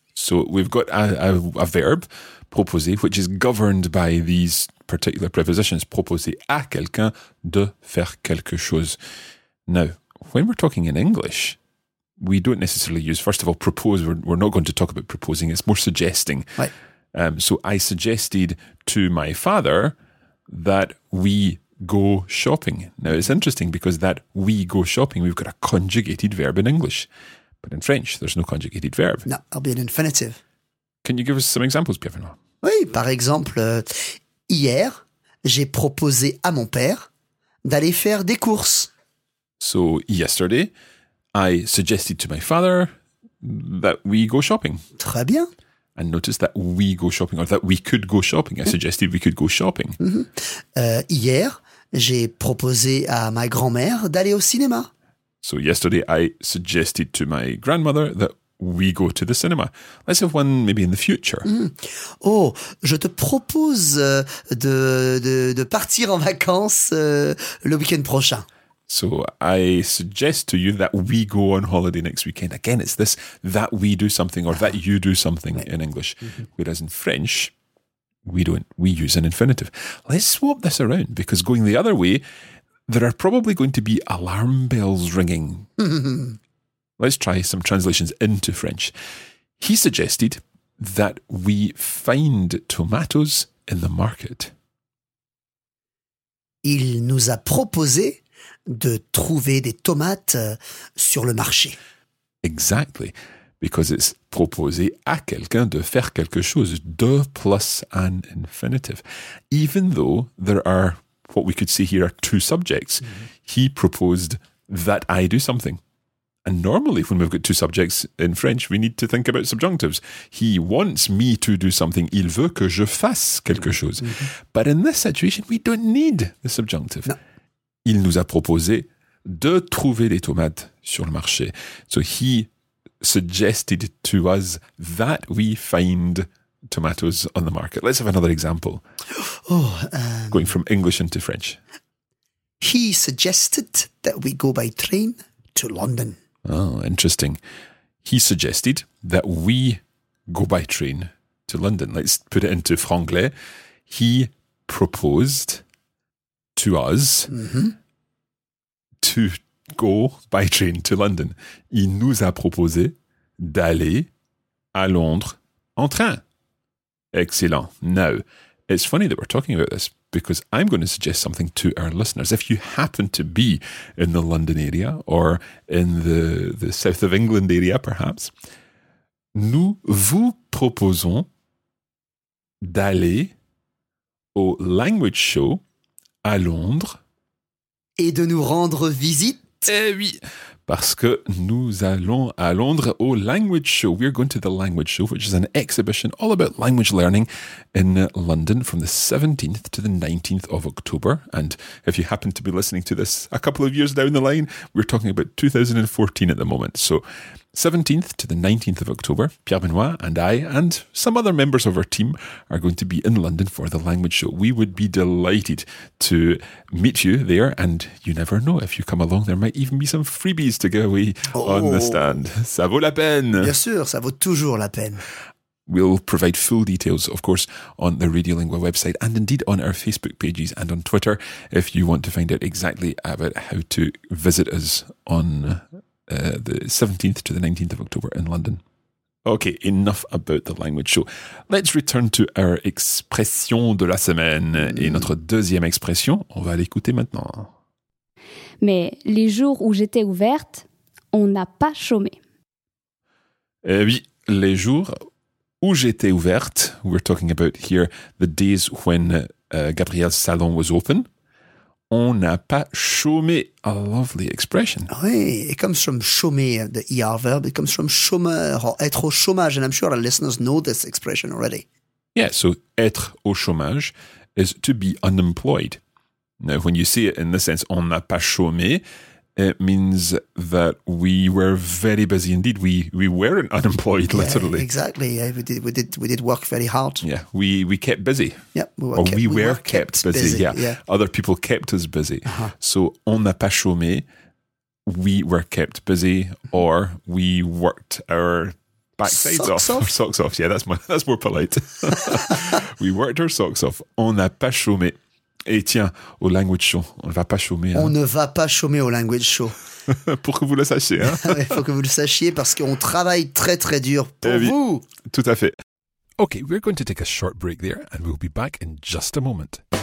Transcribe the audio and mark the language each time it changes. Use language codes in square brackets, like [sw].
[en] So we've got a verb, proposer, which is governed by these particular prepositions. [fr] Proposer à quelqu'un de faire quelque chose. [en] Now, when we're talking in English, we don't necessarily use, first of all, propose. We're not going to talk about proposing. It's more suggesting. Right. So I suggested to my father that we go shopping. Now, it's interesting because that we go shopping, we've got a conjugated verb in English. But in French, there's no conjugated verb. No, it'll be an infinitive. Can you give us some examples, Pierre-Benoît? [fr] Oui, par exemple, hier, j'ai proposé à mon père d'aller faire des courses. [en] So, yesterday, I suggested to my father that we go shopping. [fr] Très bien. [en] And notice that we go shopping, or that we could go shopping. I suggested we could go shopping. [fr] Hier, j'ai proposé à ma grand-mère d'aller au cinéma. [en] So yesterday, I suggested to my grandmother that we go to the cinema. Let's have one maybe in the future. [fr] Oh, je te propose de partir en vacances le week-end prochain. [en] So I suggest to you that we go on holiday next weekend. Again, it's this that we do something or that you do something in English. Mm-hmm. Whereas in French, we use an infinitive. Let's swap this around, because going the other way, there are probably going to be alarm bells ringing. Let's try some translations into French. He suggested that we find tomatoes in the market. [fr] Il nous a proposé de trouver des tomates sur le marché. [en] Exactly, because it's [fr] proposer à quelqu'un de faire quelque chose, de [en] plus an infinitive. Even though there are what we could see here are two subjects. Mm-hmm. He proposed that I do something. And normally when we've got two subjects in French, we need to think about subjunctives. He wants me to do something. [fr] Il veut que je fasse quelque chose. Mm-hmm. [en] But in this situation, we don't need the subjunctive. No. [fr] Il nous a proposé de trouver des tomates sur le marché. [en] So he suggested to us that we find tomatoes on the market. Let's have another example. Oh, going from English into French. He suggested that we go by train to London. Oh, interesting. He suggested that we go by train to London. Let's put it into franglais. He proposed to us to go by train to London. [fr] Il nous a proposé d'aller à Londres en train. [en] Excellent. Now, it's funny that we're talking about this because I'm going to suggest something to our listeners. If you happen to be in the London area or in the south of England area, perhaps, [fr] nous vous proposons d'aller au language show à Londres. Et de nous rendre visite. Eh oui, parce que nous allons à Londres au language show. [en] We are going to the language show, which is an exhibition all about language learning in London from the 17th to the 19th of October. And if you happen to be listening to this a couple of years down the line, we're talking about 2014 at the moment. So 17th to the 19th of October, Pierre Benoit and I and some other members of our team are going to be in London for the language show. We would be delighted to meet you there, and you never know, if you come along, there might even be some freebies to give away on the stand. [fr] Ça vaut la peine. Bien sûr, ça vaut toujours la peine. [en] We'll provide full details, of course, on the Radiolingua website and indeed on our Facebook pages and on Twitter if you want to find out exactly about how to visit us on the 17th to the 19th of October in London. Okay, enough about the language show. Let's return to our expression [fr] de la semaine. Et notre deuxième expression, on va l'écouter maintenant. Mais les jours où j'étais ouverte, on n'a pas chômé. Eh oui, les jours où j'étais ouverte, [en] we're talking about here the days when Gabrielle's salon was open. [fr] On n'a pas chômé. [en] A lovely expression. [fr] Oui, [en] it comes from chômer, the ER verb. It comes from chômeur, or [fr] être au chômage. [en] And I'm sure our listeners know this expression already. Yeah, so [fr] être au chômage [en] is to be unemployed. Now, when you see it in this sense, [fr] on n'a pas chômé, [en] it means that we were very busy indeed. We weren't unemployed, yeah, literally. Exactly. Yeah, we did work very hard. Yeah, we kept busy. Yep. We were kept busy. Yeah. Other people kept us busy. Uh-huh. So [fr] on n'a pas chômé, [en] we were kept busy, or we worked our backsides off. Socks off. Yeah, that's more polite. We worked our socks off. [fr] On n'a pas chômé. Et tiens, au language show, on ne va pas chômer. On ne va pas chômer au language show. Pour que vous le sachiez. Hein? Il faut que vous le sachiez parce qu'on travaille très très dur pour vous. Tout à fait. [en] Ok, we're going to take a short break there and we'll be back in just a moment.